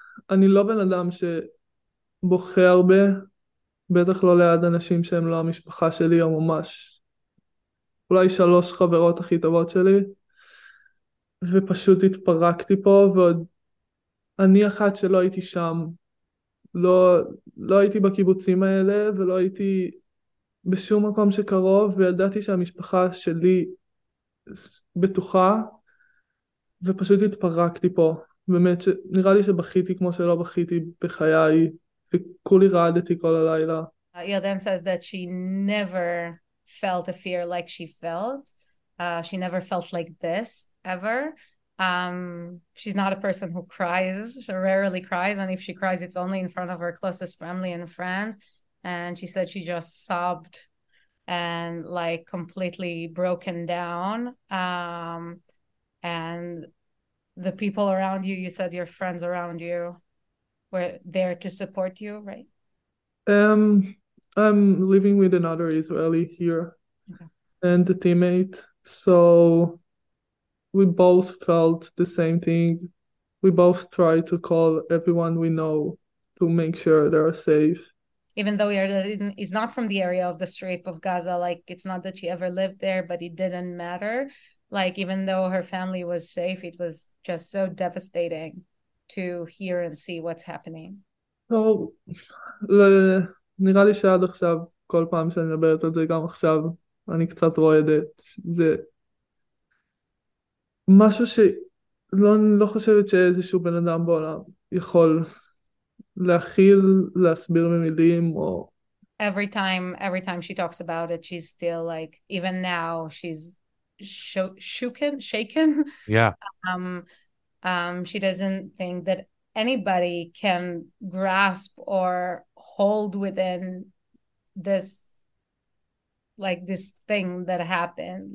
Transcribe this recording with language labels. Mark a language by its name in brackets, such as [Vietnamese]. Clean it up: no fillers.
[Hebrew] אני לא בן אדם שבוכה הרבה, בטח לא ליד אנשים שהם לא המשפחה שלי, או ממש אולי 3 חברות הכי טובות שלי, ופשוט התפרקתי פה, ועוד אני אחת שלא הייתי שם, לא הייתי בקיבוצים האלה, ולא הייתי בשום מקום שקרוב, וידעתי שהמשפחה שלי בטוחה, ופשוט התפרקתי פה. באמת, נראה לי שבכיתי כמו שלא בכיתי בחיי, וכולי רעדתי כל הלילה. [English] Yelden says that she never felt a fear like she felt. She never felt like this ever. She's not a person who cries. She rarely cries, and if she cries, it's only in front of her closest family and friends. And she said she just sobbed and like completely broken down. And the people around you, you said your friends around you were there to support you, right? I'm living with another Israeli here, okay, and a teammate. So we both felt the same thing. We both tried to call everyone we know to make sure they're safe. Even though he's not from the area of the Strip of Gaza, like it's not that she ever lived there, but it didn't matter. Like even though her family was safe, it was just so devastating to hear and see what's happening. [Hebrew] So, נראה לי שעד עכשיו, כל פעם שאני מדברת על זה, גם עכשיו, אני קצת רועדת. זה משהו שלא, אני לא חושבת שאיזשהו בן אדם בעולם יכול להכיל, להסביר במילים, או [English] every time she talks about it, she's still like, even now she's shaken. Yeah. She doesn't think that anybody can grasp or hold within this, like this thing that happened.